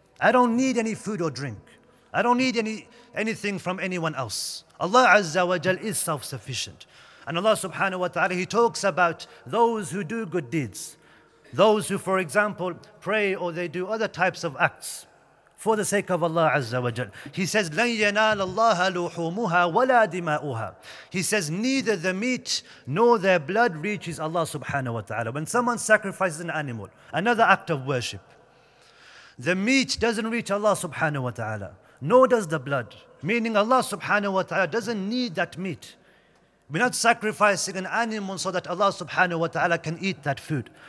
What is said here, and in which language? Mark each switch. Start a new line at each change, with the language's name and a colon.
English: I don't need any food or drink. I don't need anything from anyone else. Allah azza wa jal is self-sufficient. And Allah subhanahu wa ta'ala, He talks about those who do good deeds. Those who, for example, pray or they do other types of acts for the sake of Allah Azza wa Jal.
Arabic: He says, لَنْ يَنَالَ اللَّهَ لُحُومُهَا وَلَا دِمَاؤُهَا.
English: He says, neither the meat nor their blood reaches Allah subhanahu wa ta'ala. When someone sacrifices an animal, another act of worship, the meat doesn't reach Allah subhanahu wa ta'ala, nor does the blood. Meaning Allah subhanahu wa ta'ala doesn't need that meat. We're not sacrificing an animal so that Allah subhanahu wa ta'ala can eat that food.